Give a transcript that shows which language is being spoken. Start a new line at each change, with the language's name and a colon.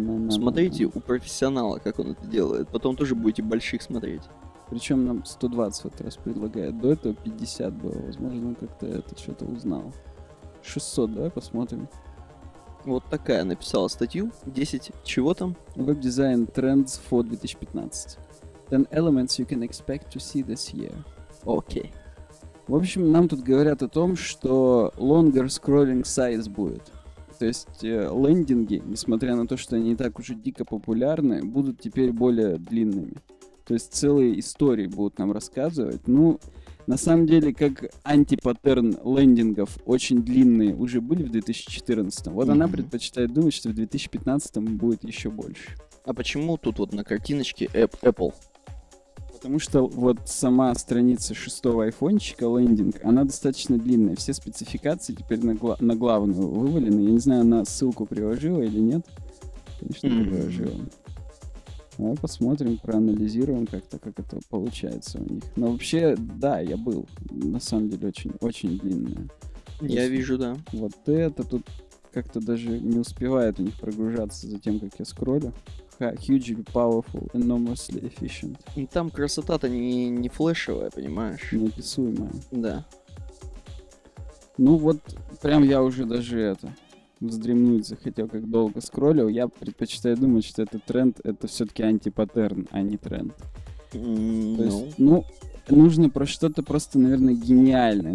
Russian: Смотрите у профессионала, как он это делает. Потом тоже будете больших смотреть. Причем нам 120 в этот раз предлагает. До этого 50 было. Возможно, он как-то это что-то узнал. 600, давай посмотрим. Вот такая написала статью. 10 чего там?
English: Web-design trends for 2015. 10 elements you can expect to see this year.
Russian: Окей. В общем, нам тут говорят о том, что
English: longer scrolling size
Russian: будет. То есть лендинги, несмотря на то, что они и так уже дико популярны, будут теперь более длинными. То есть целые истории будут нам рассказывать. Ну, на самом деле, как антипаттерн лендингов очень длинные уже были в 2014-м. Вот она предпочитает думать, что в 2015-м будет еще больше. А почему тут вот на картиночке Apple? Потому что вот сама страница шестого айфончика, лендинг, она достаточно длинная. Все спецификации теперь на главную вывалены. Я не знаю, она ссылку приложила или нет. Конечно, приложила. Давай посмотрим, проанализируем как-то, как это получается у них. Но вообще, да, я был. На самом деле, очень-очень длинная. Я вижу, да. Вот это тут как-то даже не успевает у них прогружаться за тем, как я скроллю.
English: Hugely powerful, enormously efficient.
Russian: Там красота-то не флешевая, понимаешь? Неописуемая. Да. Ну вот, прям я уже даже это вздремнуть захотел, как долго скроллил. Я предпочитаю думать, что этот тренд — это все-таки антипаттерн, а не тренд. То есть, ну, нужно про что-то просто, наверное, гениальное.